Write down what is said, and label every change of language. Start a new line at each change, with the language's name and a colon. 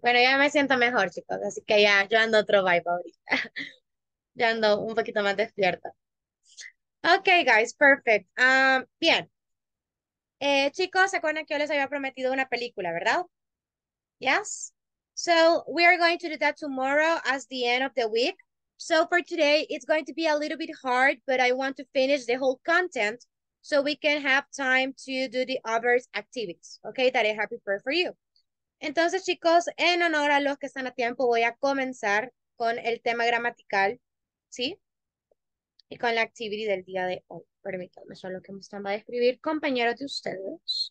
Spanish: Bueno, ya me siento mejor, chicos, así que ya yo ando otro vibe ahorita. Ya ando un poquito más despierta.
English: Ok, guys, perfect.
Spanish: Bien. Chicos, ¿se acuerdan que yo les había prometido una película, verdad?
English: Yes. So, we are going to do that tomorrow as the end of the week. So, for today, it's going to be a little bit hard, but I want to finish the whole content so we can have time to do the other activities, okay, that I have prepared for you.
Spanish: Entonces, chicos, en honor a los que están a tiempo, voy a comenzar con el tema gramatical. ¿Sí? Y con la actividad del día de hoy. Permítanme, solo que me están va a escribir compañeros de ustedes.